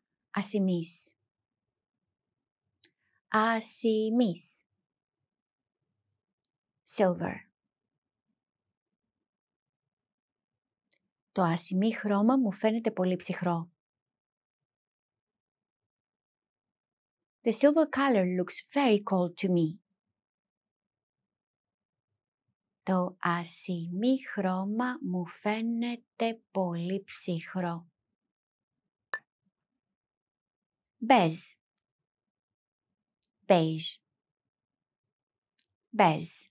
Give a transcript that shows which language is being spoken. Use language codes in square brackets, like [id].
[el] Ασημής. Ασημής. [en] Silver. [el] Το ασημή χρώμα μου φαίνεται πολύ ψυχρό. [en] The silver color looks very cold to me. [el] Το ασημή χρώμα μου φαίνεται πολύ ψυχρό. Bez. [en] Beige. [el] Bez.